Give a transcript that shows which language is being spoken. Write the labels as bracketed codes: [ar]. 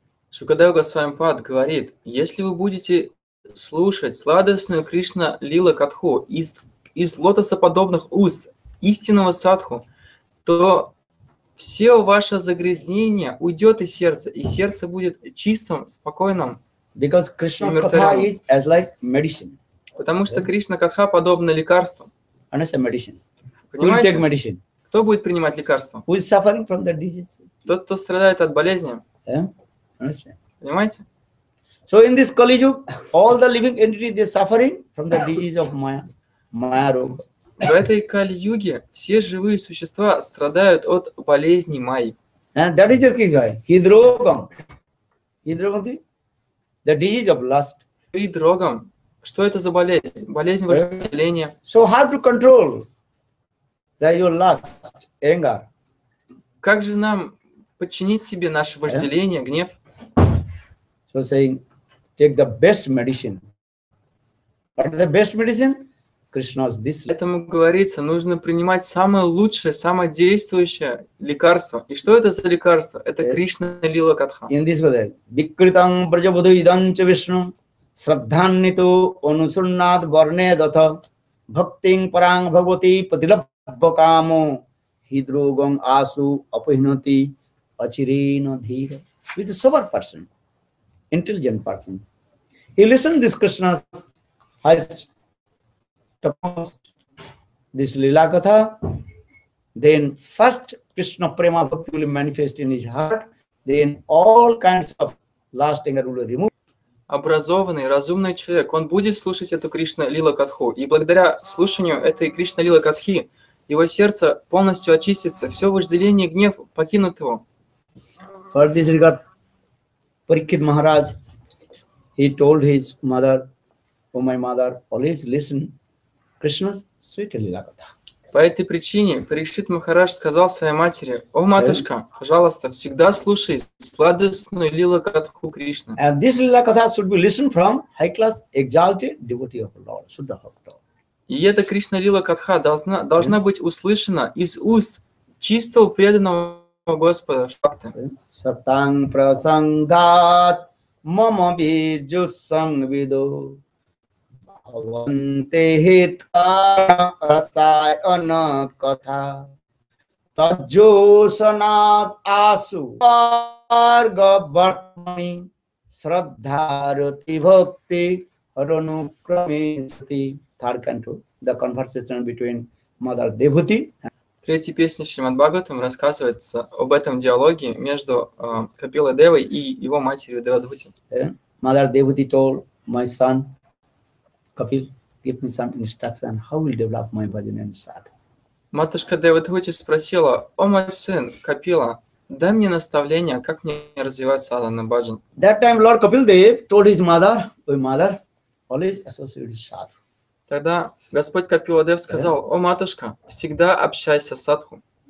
[ru] Шукадев Госвамипад говорит, если вы будете слушать сладостную Кришна Лила Катху из лотосоподобных уст истинного садху, то все ваше загрязнение уйдет из сердца, и сердце будет чистым, спокойным. [en] Because Krishna Katha is as like medicine. [ru] Потому что Кришна Катха подобна лекарству. [en] Understand medicine. [ru] Понимаете? [en] Who will take medicine? [ru] Кто будет принимать лекарство? [en] Who is suffering from the disease? [ru] Тот, кто страдает от болезни. [en] Yeah? Understand. [ru] Понимаете? [en] So in this Kali Yuga, all the living entities are suffering from the disease of Maya, Maya Roga. [ru] В этой Кали-юге все живые существа страдают от болезни Майи. [en] And that is the case why. Hidrogam. Hidrogam. The disease of lust. [ru] Hidrogam. Что это за болезнь? Болезнь вожделения. [en] So how to control that your lust, anger? [ru] Как же нам подчинить себе наше вожделение, yeah? Гнев? [en] So saying, take the best medicine. What is the best medicine? Krishna's this. [ru] Поэтому говорится, нужно принимать самое лучшее, самое действующее лекарство. И что это за лекарство? Это Кришна Лила Катха. [sa] In this way, Vikritam Prajabudhu Idancha Vishnu Shraddhanito Anusunnat Varne Datha Bhakting Parang Bhagavati Patilabhakamo Hidrogam Asu Apahinati Achirino Dhira. [en] With a sober person, intelligent person, he listened this Krishna's highest this Lila Katha, then first Krishna Prema Bhakti will manifest in his heart, then all kinds of lust anger will be removed. [ru] Образованный, разумный человек, он будет слушать эту Кришна Лила Катху, и благодаря слушанию этой Кришна Лила Катхи его сердце полностью очистится, все вожделение и гнев покинут его. [en] For this regard, Parikshit Maharaj, he told his mother, "Oh my mother, always listen Krishna's sweet lila katha." [ru] По этой причине Парикшит Махарадж сказал своей матери: "О матушка, пожалуйста, всегда слушай сладостную лила катху Кришны." [en] And this lila katha should be listened from high class exalted devotee of Lord Shuddha Bhakta. [ru] И эта Кришна лила катха должна быть услышана из уст чистого преданного Господа Шакты. [sa] Satang prasangat mama bijju sangvido bhavante hitara rasayana katha tajosanat asu arga vartmani shraddharati bhakti harunukramisati. [en] Third canto, the conversation between Mother Devuti. [ru] В третьей песне Шримад Бхагаватам рассказывается об этом диалоге между Капилой Девой и его матерью Девадхути. [en] Mother Devuti told my son, Kapil, give me some instruction, how will develop my bhajan and sadhu. [ru] Матушка Девадхути спросила, о мой сын, Капила, дай мне наставление, как мне развивать садхану бхаджан. [en] That time Lord Kapil Dev told his mother, my mother, always associated with sadhu. [ru] Тогда Господь Капила Дев сказал, о матушка, всегда общайся с садху.